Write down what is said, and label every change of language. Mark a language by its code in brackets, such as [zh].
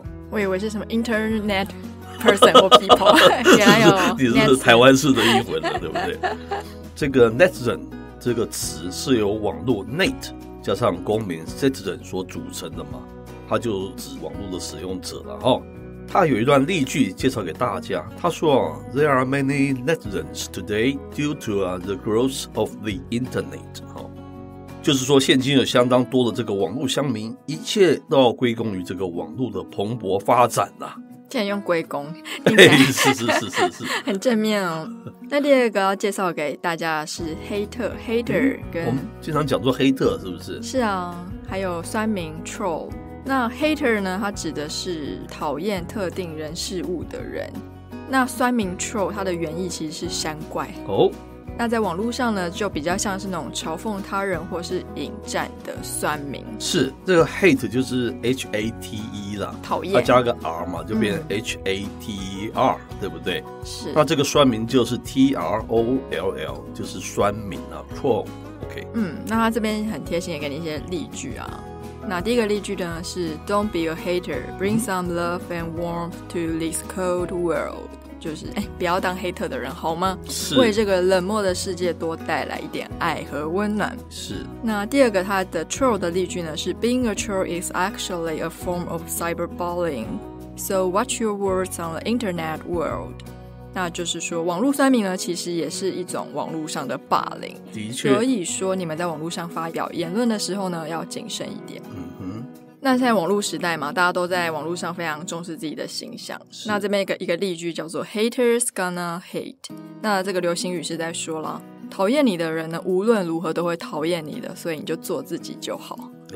[zh] 我以为是什么 [en] InternetPerson or people， [zh] 你是台湾式的英文了，对不对？这个 Netizen 这个词是由网络 Net 加上公民 Citizen 所组成的嘛，它就指网络的使用者了。它有一段例句介绍给大家，它说 [en] There are many Netizens today due to the growth of the internet。 [zh] 就是说现今有相当多的这个网络乡民，一切都要归功于这个网络的蓬勃发展啊。竟然用归功，是是是是是，很正面哦。那第二个要介绍给大家的是黑特 hater， 跟我们经常讲做黑特，是不是？是啊，还有酸民 troll。那 hater 呢，它指的是讨厌特定人事物的人。那酸民 troll 它的原意其实是山怪哦。那在网络上呢，就比较像是那种嘲讽他人或是引战的酸民。是，这个 hate 就是 H A T E 啦，讨厌，它加个 R 嘛，就变成 H A T E R， 对不对？是。那这个酸民就是 T R O L L， 就是酸民啊 ，troll。 [en] OK。 [zh] 那他这边很贴心，也给你一些例句啊。那第一个例句呢是 [en] Don't be a hater, bring some love and warmth to this cold world。 [zh] 就是不要当黑特的人好吗？是，为这个冷漠的世界多带来一点爱和温暖。是。那第二个他的 troll 的例句呢是 [en] Being a troll is actually a form of cyberbullying, so watch your words on the internet world。 [zh] 那就是说网络酸民呢其实也是一种网络上的霸凌，的确。所以说你们在网络上发表言论的时候呢要谨慎一点。嗯哼，那现在网络时代嘛，大家都在网络上非常重视自己的形象。那这边一个例句叫做 [en] Haters gonna hate。 [zh] 那这个流行语是在说啦，讨厌你的人呢无论如何都会讨厌你的，所以你就做自己就好。